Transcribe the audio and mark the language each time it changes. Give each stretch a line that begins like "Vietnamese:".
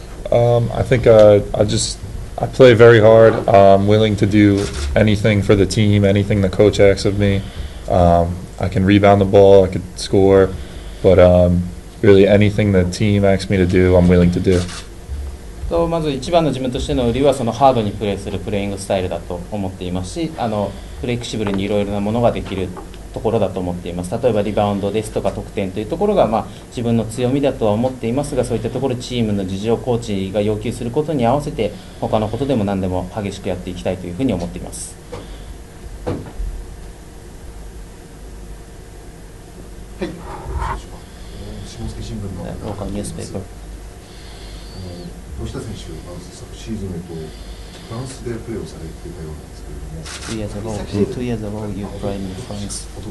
English: I think I play very hard. I'm willing to do anything for the team, anything the coach asks of me. I can rebound the ball, I could score, but really anything the team asks me to do, I'm willing to do.
Japanese: So, まず一番の自分としての売りはそのハードにプレーするプレイングスタイルだと思っていますし、フレキシブルにいろいろなものができるところだと思っています。例えばリバウンドですとか得点というところが、まあ、自分の強みだとは思っていますが、そういったところチームの事情コーチが要求することに合わせて他のことでも何でも激しくやっていきたいというふうに思っています。はい、下関新聞のローカルニュースペーパー、ロシタ選手はシーズンへとフランスでプレーをされていたようなんですけれども、
English: 2 years ago, you played in France.